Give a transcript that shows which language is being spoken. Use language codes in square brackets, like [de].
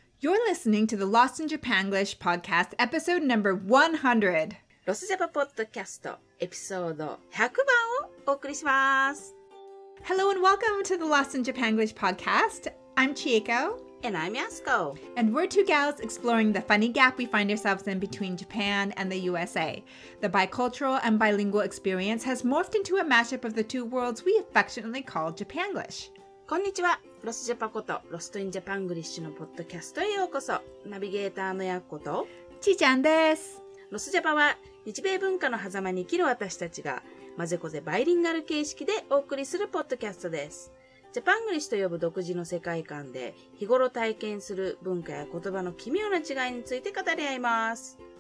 [en] You're listening to the Lost in Japanglish podcast, episode number 100. [ja] ロスジャパポッドキャストエピソード100番をお送りします。 [en] Hello and welcome to the Lost in Japanglish podcast. I'm Chieko. And I'm Yasuko. And we're two gals exploring the funny gap we find ourselves in between Japan and the USA. The bicultural and bilingual experience has morphed into a mashup of the two worlds we affectionately call Japanglish. [ja] こんにちは、ロスジャパことロストインジャパングリッシュのポッドキャストへようこそ。ナビゲーターのやっことちーちゃんです。ロスジャパは日米文化の狭間に生きる私たちがまぜこぜバイリンガル形式でお送りするポッドキャストです。ジャパングリッシュと呼ぶ独自の世界観で日頃体験する文化や言葉の奇妙な違いについて語り合います。